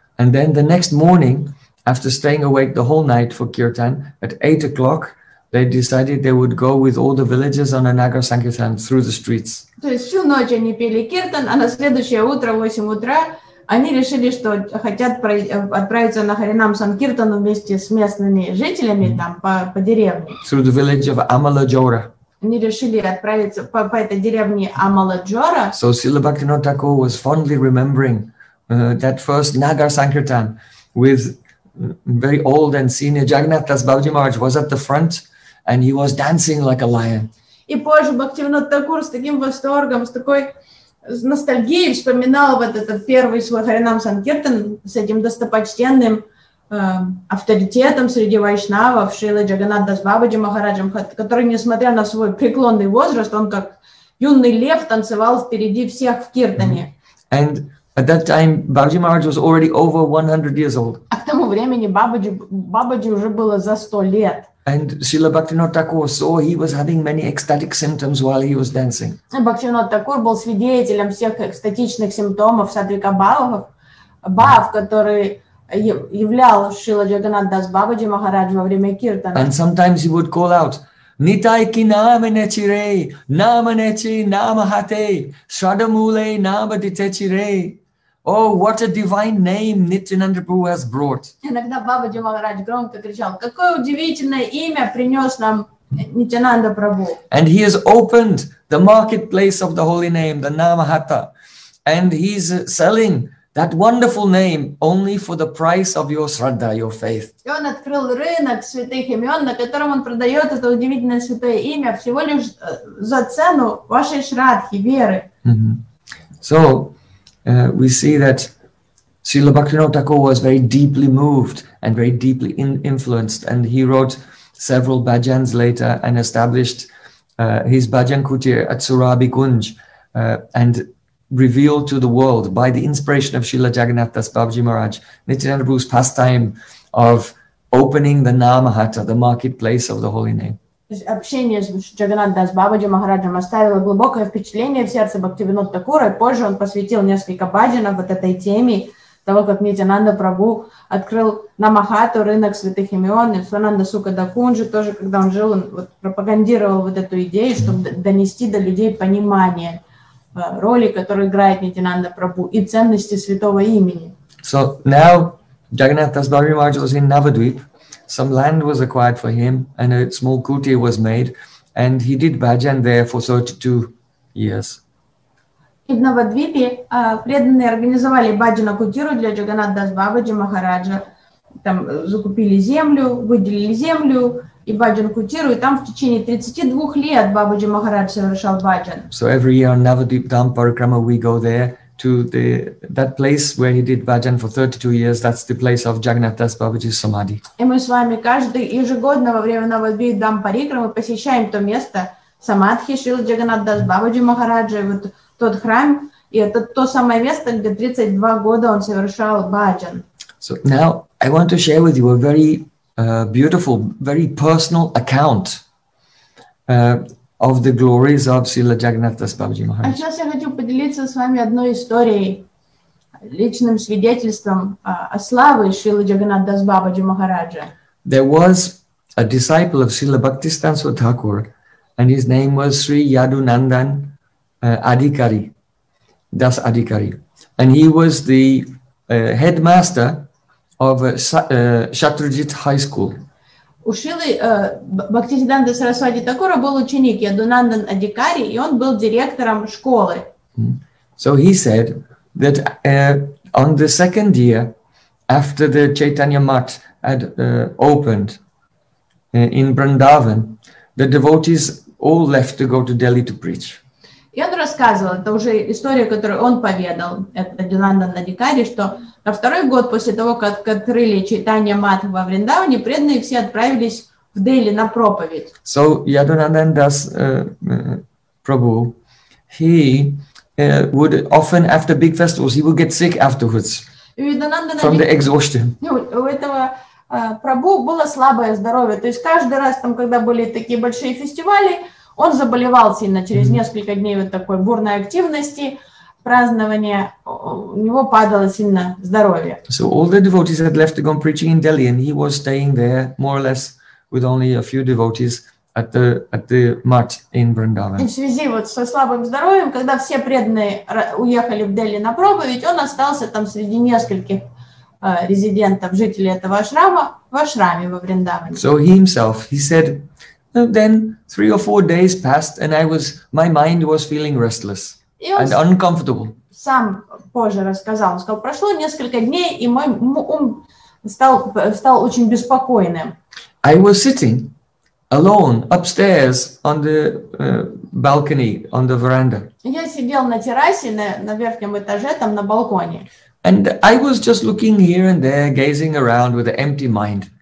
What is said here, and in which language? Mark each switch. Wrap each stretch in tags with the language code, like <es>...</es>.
<en>And then the next morning, after staying awake the whole night for kirtan, at 8 o'clock, they decided they would go with all the villagers on a Nagar Sankirtan through the streets.</en> <ru>То есть всю ночь они пели киртан, а на следующее утро, в 8 утра, они решили, что хотят отправиться на Харинам Санкиртан вместе с местными жителями там по деревне.</ru> <en>Through the village of Амала-Джора.</en> <ru>Они решили отправиться по этой деревне Амала-Джора.</ru> <en>So Srila Bhaktivinoda Thakur was fondly remembering that first Nagar Sankirtan with very old and senior Jagannath Das Babaji Maharaj was at the front and he was dancing like a lion.</en> <ru>И позже Бхактивинода Тхакур с таким восторгом, с такой ностальгией вспоминал вот этот первый свой харинам санкиртан с этим достопочтенным авторитетом среди вайшнавов, Шрила Джагганнатха с Бабаджи Махараджем, который, несмотря на свой преклонный возраст, он как юный лев танцевал впереди всех в киртане.</ru> <en>And at that time, Бабаджи Махарадж was already over 100 years old.</en> <ru>А к тому времени Бабаджи уже было за 100 лет.</ru> <en>And Srila Bhaktivinoda Thakur saw he was having many ecstatic symptoms while he was dancing.</en> <ru>Бхактивинода Тхакур был свидетелем всех экстатичных симптомов садвика бхав, который являл Шрила Джагганнатха дас Бабаджи Махарадж во время киртана.</ru> <en>And sometimes he would call out, Nitai ki namane chire, namane chi namahate, shradamule namadite chire. Oh, what a divine name Nityananda Prabhu has brought.</en> <ru>Иногда Бабаджи Махарадж громко кричал, какое удивительное имя принес нам Нитянанда Прабху.</ru> <en>And he has opened the marketplace of the holy name, the Namahata. And he's selling that wonderful name only for the price of your Shraddha, your faith.</en> <ru>И он открыл рынок святых имен, на котором он продает это удивительное святое имя всего лишь за цену вашей Шраддхи, веры. Mm-hmm.</ru> <en>So, we see that Srila Bhaktivinoda Thakur was very deeply moved and very deeply influenced, and he wrote several bhajans later and established his bhajan kutir at Surabhi Kunj and revealed to the world by the inspiration of Srila Jagannatha Das Babaji Maharaj, Nityananda Prabhu's pastime of opening the Namahata, the marketplace of the holy name.</en> <ru>Общение с Джагганнатхой Дас Бабаджи Махараджем оставило глубокое впечатление в сердце Бхактивинода Такура, и позже он посвятил несколько баджанов вот этой теме того, как Нитянанда Прабху открыл Намахату, рынок святых имен, и Сананда Сукада Кунджи тоже, когда он жил, он вот пропагандировал вот эту идею, чтобы донести до людей понимание роли, которую играет Нитянанда Прабху, и ценности святого имени.</ru> <en>So now Jagannatha Das Babaji Maharaj was in Navadvip. Some land was acquired for him and a small kutir was made and he did bhajan there for 32 years.</en> <ru>In Navadvipi, преданные организовали баджана кутиру для Джагганнатха Дас Бабаджи Махараджа. Там закупили землю, выделили землю и баджан кутиру, и там в течение 32 лет Бабаджи Махарадж совершал баджан.</ru> <en>So every year on Navadvip Dham Parikrama we go there to the that place where he did bhajan for 32 years. That's the place of Jagannatha Das Babaji's samadhi.</en> <ru>И мы с вами каждый ежегодно во время Навадвипа Дам Парикрамы посещаем то место самадхи Шрилы Джагганнатха Дас Бабаджи Махараджа, вот тот храм, и это то самое место, где 32 года он совершал бхаджан.</ru> <en>So now I want to share with you a very beautiful, very personal account of the glories of Srila Jagannatha Das Babaji Maharaj.</en> <ru>А сейчас я хочу поделиться с вами одной историей, личным свидетельством о славе Шрилы Джагганнатха Дас Бабаджи Махараджа.</ru> <en>There was a disciple of Srila Bhaktisiddhanta Thakur, and his name was Sri Yadunandan Adhikari, Das Adhikari. And he was the headmaster of Shatrujit High School.</en> <ru>У Шрилы Бхактисиддханта Сарасвати Такура был ученик Ядунандан Адикари, и он был директором школы.</ru> <en>So he said that on the second year after the Chaitanya Mat had opened in Vrindavan, the devotees all left to go to Delhi to preach.</en> <ru>И он рассказывал, это уже история, которую он поведал, Ядунандан Адикари, что на второй год после того, как открыли Чайтанья Мат во Вриндаване, преданные все отправились в Дели на проповедь.</ru> <en>So, Yadunandan Das Prabhu, he would often, after big festivals, he would get sick afterwards from the exhaustion.</en> <ru>У этого Прабху было слабое здоровье. То есть каждый раз, там, когда были такие большие фестивали, он заболевал сильно через несколько дней вот такой бурной активности, празднования, у него падало сильно здоровье.</ru> <en>So all the devotees had left to go preaching in Delhi, and he was staying there more or less with only a few devotees at the mat in Vrindavan.</en> <ru>И в связи вот со слабым здоровьем, когда все преданные уехали в Дели на проповедь, он остался там среди нескольких резидентов, жителей этого ашрама, в ашраме во Вриндаване.</ru> <en>So he himself, he said, then 3 or 4 days passed, and my mind was feeling restless. And uncomfortable.</en> <ru>Сам позже рассказал. Он сказал, прошло несколько дней, и мой ум стал очень беспокойным.</ru> <en>I was sitting alone upstairs on the balcony on the veranda.</en> <ru>Я сидел на террасе на верхнем этаже там на балконе.</ru> <en>And I was just looking here and there, gazing around with an empty mind.</en>